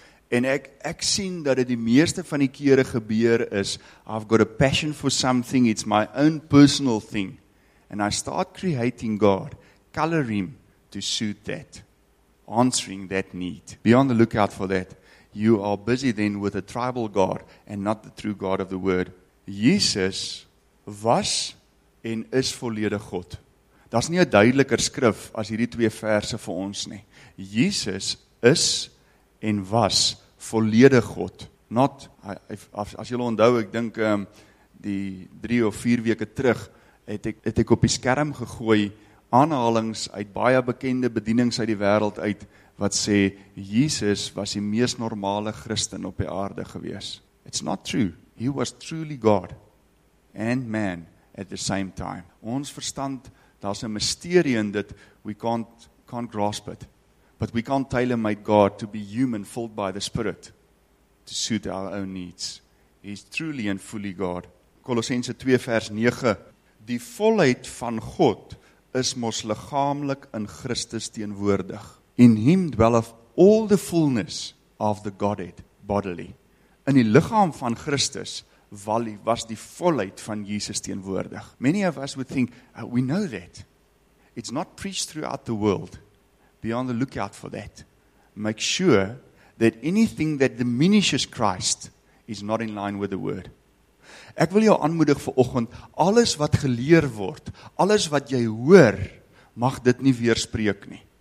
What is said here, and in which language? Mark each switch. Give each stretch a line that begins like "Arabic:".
Afrikaans: En ek sien dat dit die meeste van die kere gebeur is,
English: I've got a passion for something, it's my own personal thing. And I start creating God, color him to suit that, answering that need. Be on the lookout for that. You are busy then with a tribal God and not the true God of the Word.
Afrikaans: Jesus was en is volledige God. Daar's nie 'n duideliker skrif as hierdie twee verse vir ons nie. Jesus is en was volledige God. Not, as julle onthou, ek dink die 3 of 4 weke terug, het ek op die skerm gegooi aanhalings uit baie bekende bedienings uit die wêreld uit, wat sê, Jesus was die mees normale Christen op die aarde gewees.
English: It's not true. He was truly God and man at the same time.
Afrikaans: Ons verstand, daar's 'n mysterie in dit,
English: we can't grasp it. But we can't tailor-made God to be human filled by the Spirit to suit our own needs. He's truly and fully God.
Afrikaans: Kolossense 2 vers 9. Die volheid van God is mos liggaamlik in Christus teenwoordig.
English: In him dwelleth all the fullness of the Godhead bodily.
Afrikaans: In die liggaam van Christus was die volheid van Jesus teenwoordig.
English: Many of us would think, we know that. It's not preached throughout the world. Be on the lookout for that. Make sure that anything that diminishes Christ is not in line with the Word.
Afrikaans: Ek wil jou aanmoedig vir oggend, alles wat geleer word, alles wat jy hoor, mag dit nie weerspreek nie.